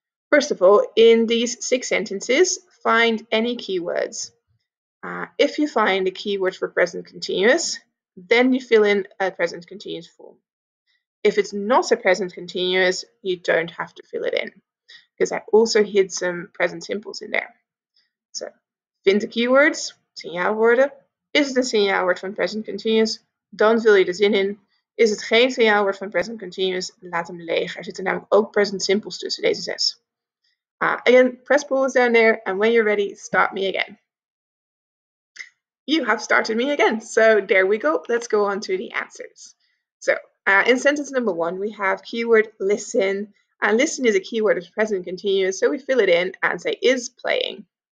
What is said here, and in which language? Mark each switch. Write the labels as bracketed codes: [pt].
[en] First of all, in these six sentences, find any keywords. If you find a keyword for present continuous, then you fill in a present continuous form. If it's not a present continuous, you don't have to fill it in, because I also hid some present simples in there. [nl] So, vind de keywords, signaalwoorden. Is het een signaalwoord van present continuous? Dan vul je de zin in. Is het geen signaalwoord van present continuous? Laat hem leeg. Er zitten namelijk ook present simples tussen deze zes. [en] Again, press pause down there, and when you're ready, start me again. You have started me again, so there we go. Let's go on to the answers. So, in sentence number one, we have keyword listen, and listen is a keyword of present continuous, so we fill it in and say is playing.